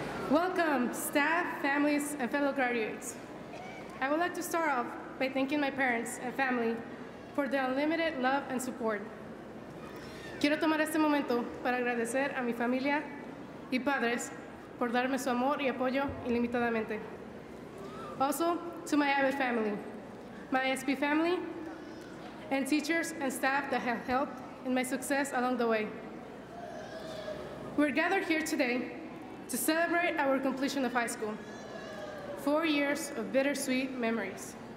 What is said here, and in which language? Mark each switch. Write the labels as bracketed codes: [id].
[en] Welcome, staff, families, and fellow graduates. I would like to start off by thanking my parents and family for their unlimited love and support. [es] Quiero tomar este momento para agradecer a mi familia y padres por darme su amor y apoyo ilimitadamente. [en] Also, to my Abbott family, my ISP family, and teachers and staff that have helped in my success along the way. We're gathered here today to celebrate our completion of high school, 4 years of bittersweet memories.